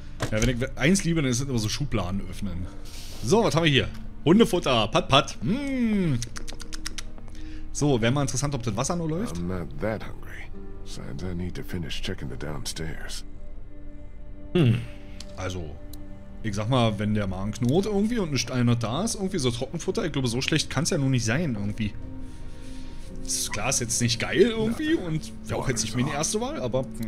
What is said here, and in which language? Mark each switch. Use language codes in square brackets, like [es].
[de] Ja, wenn ich eins liebe, dann ist es immer so Schubladen öffnen. So, was haben wir hier? Hundefutter, pat pat. So, wäre mal interessant, ob das Wasser nur läuft. [en] I'm not that hungry. Signs I need to finish checking the downstairs. [de] Also, ich sag mal, wenn der Magen knurrt irgendwie und nicht einer da ist, irgendwie so Trockenfutter, ich glaube, so schlecht kann es ja nun nicht sein, irgendwie. Das ist klar, ist jetzt nicht geil irgendwie und wäre auch jetzt nicht meine erste Wahl, aber.